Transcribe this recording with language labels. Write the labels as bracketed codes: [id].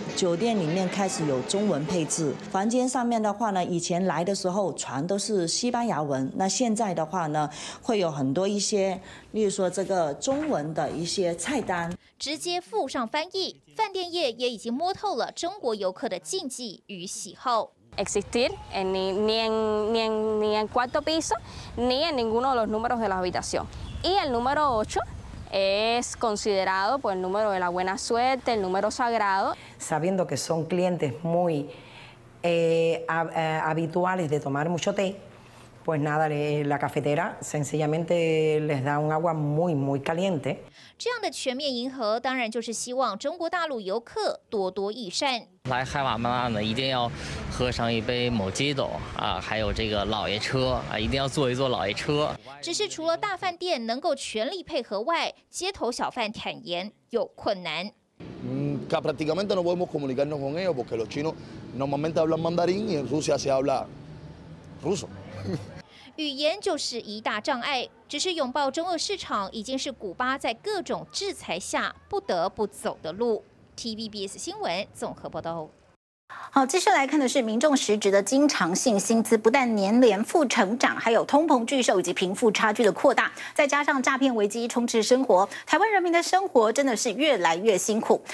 [zh] 酒店里面开始有中文配置，房间上面的话呢，以前来的时候全都是西班牙文，那现在的话呢，会有很多一些，例如说这个中文的一些菜单，直接附上翻译。饭店业也已经摸透了中国游客的禁忌与喜好。 [es] Existir ni en cuarto piso ni en ninguno de los números de la habitación. Y el número 8 es considerado pues, el número de la buena suerte, el número sagrado. Sabiendo que son clientes muy habituales de tomar mucho té, pues nada, la cafetera sencillamente les da un agua muy, muy caliente. [zh] 这样的全面迎合当然就是希望中国大陆游客多多益善。来海马曼岸的一定要喝上一杯某鸡斗啊，还有这个老爷车啊，一定要坐一坐老爷车。只是除了大饭店能够全力配合外，街头小贩坦言有困难。 [es] Prácticamente no podemos comunicarnos con ellos porque los chinos normalmente hablan mandarín y en Rusia se habla ruso。 [zh] 语言就是一大障碍，只是拥抱中俄市场已经是古巴在各种制裁下不得不走的路。 TVBS 新闻综合报道。好，接下来看的是民众实质的经常性薪资不但年年负成长，还有通膨巨兽以及贫富差距的扩大，再加上诈骗危机充斥生活，台湾人民的生活真的是越来越辛苦。